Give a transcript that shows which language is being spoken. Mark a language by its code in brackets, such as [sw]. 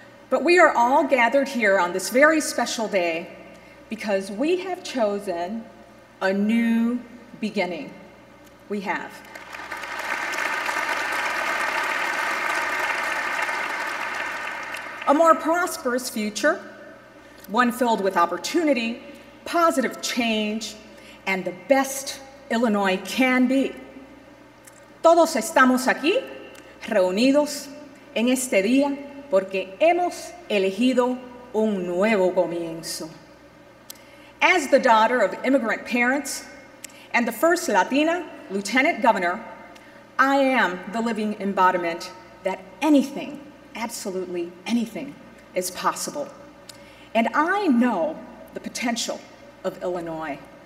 [en] But we are all gathered here on this very special day because we have chosen a new beginning. We have. A more prosperous future, one filled with opportunity, positive change, and the best Illinois can be. [es] Todos estamos aquí, reunidos en este día, porque hemos elegido un nuevo comienzo. [en] As the daughter of immigrant parents and the first Latina Lieutenant Governor, I am the living embodiment that anything, absolutely anything, is possible. And I know the potential of Illinois.